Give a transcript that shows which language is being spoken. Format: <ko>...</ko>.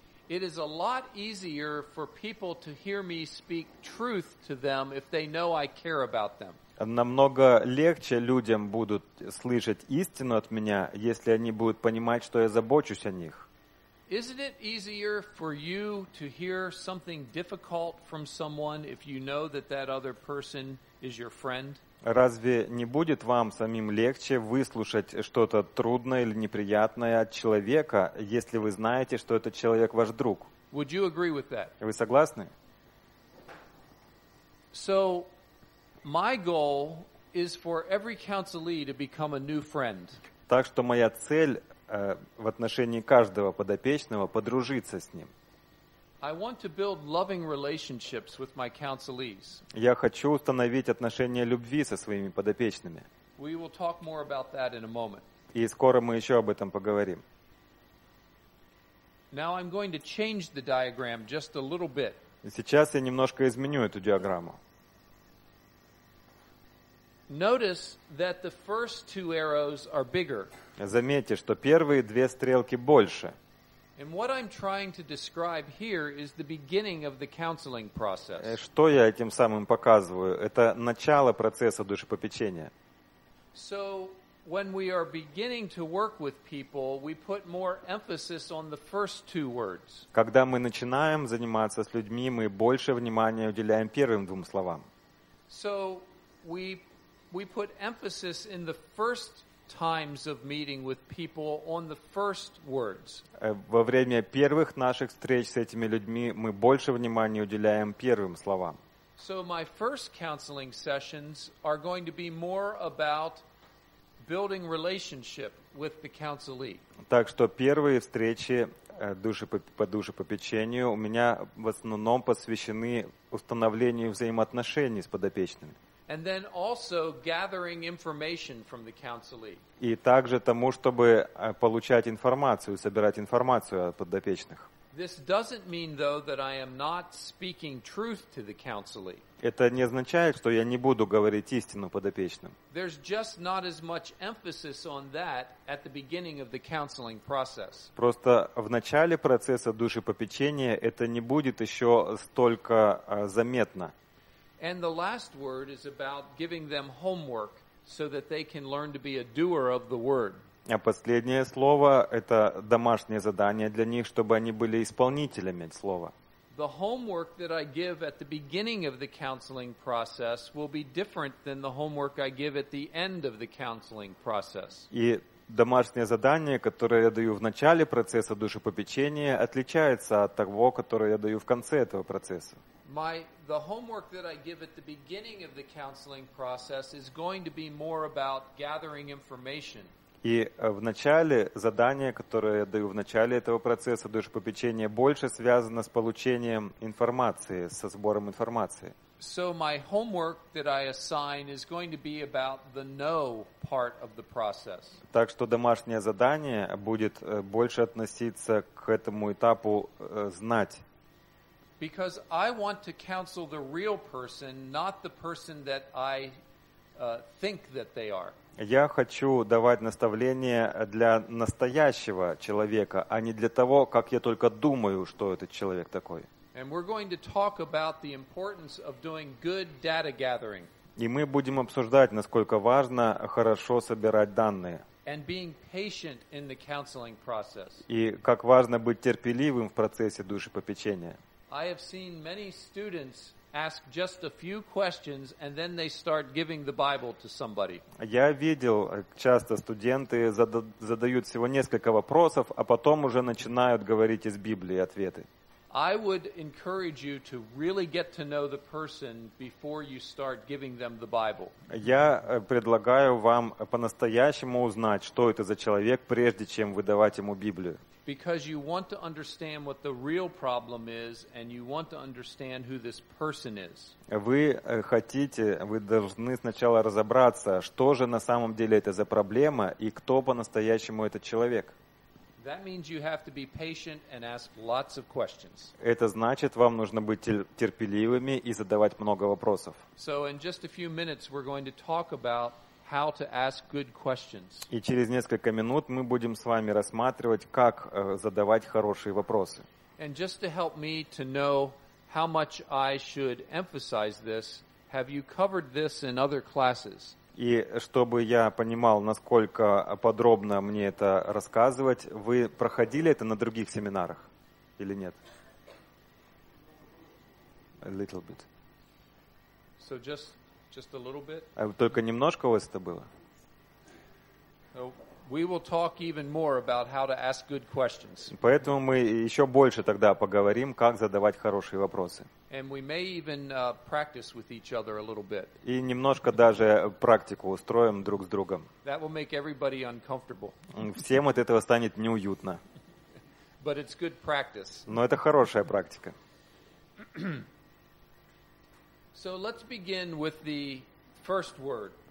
<en>It is a lot easier for people to hear me speak truth to them if they know I care about them.</en> <ru>Намного легче людям будут слышать истину от меня, если они будут понимать, что я забочусь о них.</ru> <en>Isn't it easier for you to hear something difficult from someone if you know that that other person is your friend?</en> <ru>Разве не будет вам самим легче выслушать что-то трудное или неприятное от человека, если вы знаете, что этот человек ваш друг?</ru> <en>Would you agree with that?</en> <ru>Вы согласны?</ru> <en>So, my goal is for every counselee to become a new friend.</en> <ru>Так что моя цель в отношении каждого подопечного подружиться с ним.</ru> <en>I want to build loving relationships with my counselees.</en> <ru>Я хочу установить отношения любви со своими подопечными.</ru> <en>We will talk more about that in a moment.</en> <ru>И скоро мы еще об этом поговорим.</ru> <en>Now I'm going to change the diagram just a little bit.</en> <ru>Сейчас я немножко изменю эту диаграмму.</ru> <en>Notice that the first two arrows are bigger.</en> <ru>Заметьте, что первые две стрелки больше.</ru> <en>And what I'm trying to describe here is the beginning of the counseling process.</en> <ru>Что я этим самым показываю? Это начало процесса душепопечения.</ru> <en>So when we are beginning to work with people, we put more emphasis on the first two words.</en> <ru>Когда мы начинаем заниматься с людьми, мы больше внимания уделяем первым двум словам.</ru> <en>So we put emphasis in the first times of meeting with people on the first words.</en> <ru>Во время первых наших встреч с этими людьми мы больше внимания уделяем первым словам.</ru> <en>So my first counseling sessions are going to be more about building relationship with the counselee.</en> <ru>Так что первые встречи по душепопечению у меня в основном посвящены установлению взаимоотношений с подопечными.</ru> <en>And then also gathering information from the counselee.</en> <ru>И также тому, чтобы получать информацию, собирать информацию от подопечных.</ru> <en>This doesn't mean, though, that I am not speaking truth to the counselee.</en> <ru>Это не означает, что я не буду говорить истину подопечным.</ru> <en>There's just not as much emphasis on that at the beginning of the counseling process.</en> <ru>Просто в начале процесса душепопечения это не будет еще столько заметно.</ru> <en>And the last word is about giving them homework so that they can learn to be a doer of the word.</en> <ru>А последнее слово это домашнее задание для них, чтобы они были исполнителями слова.</ru> <en>The homework that I give at the beginning of the counseling process will be different than the homework I give at the end of the counseling process.</en> <ru>И домашнее задание, которое я даю в начале процесса душепопечения, отличается от того, которое я даю в конце этого процесса.</ru> <en>The homework that I give at the beginning of the counseling process is going to be more about gathering information.</en> <ru>И в начале задание, которое я даю в начале этого процесса душепопечения, больше связано с получением информации, со сбором информации.</ru> <en>So my homework that I assign is going to be about the no part of the process.</en> <ru>Так что домашнее задание будет больше относиться к этому этапу знать.</ru> <en>Because I want to counsel the real person, not the person that I think that they are.</en> <ru>Я хочу давать наставления для настоящего человека, а не для того, как я только думаю, что этот человек такой.</ru> <en>And we're going to talk about the importance of doing good data gathering.</en> <ru>И мы будем обсуждать, насколько важно хорошо собирать данные.</ru> <en>And being patient in the counseling process.</en> <ru>И как важно быть терпеливым в процессе душепопечения.</ru> <en>I have seen many students ask just a few questions and then they start giving the Bible to somebody.</en> <ru>Я видел, часто студенты задают всего несколько вопросов, а потом уже начинают говорить из Библии ответы.</ru> <en>I would encourage you to really get to know the person before you start giving them the Bible.</en> <ru>Я предлагаю вам по-настоящему узнать, что это за человек, прежде чем выдавать ему Библию.</ru> <en>Because you want to understand what the real problem is and you want to understand who this person is.</en> <ru>Вы должны сначала разобраться, что же на самом деле это за проблема и кто по-настоящему этот человек.</ru> <en>That means you have to be patient and ask lots of questions.</en> <ru>Это значит, вам нужно быть терпеливыми и задавать много вопросов.</ru> <en>So in just a few minutes we're going to talk about how to ask good questions.</en> <ru>И через несколько минут мы будем с вами рассматривать, как задавать хорошие вопросы.</ru> <en>And just to help me to know how much I should emphasize this, have you covered this in other classes?</en> <ru>И чтобы я понимал, насколько подробно мне это рассказывать, вы проходили это на других семинарах или нет?</ru> <en>A little bit. So just a little bit.</en> <ru>А только немножко у вас это было?</ru> <en>So we will talk even more about how to ask good questions.</en> <ru>Поэтому мы еще больше тогда поговорим, как задавать хорошие вопросы.</ru> <en>And we may even practice with each other a little bit.</en> <ru>И немножко даже практику устроим друг с другом.</ru> <en>That will make everybody uncomfortable.</en> <ru>Всем от этого станет неуютно.</ru> <en>But it's good practice.</en> <ru>Но это хорошая практика.</ru> <en>So let's begin with the first word.</en>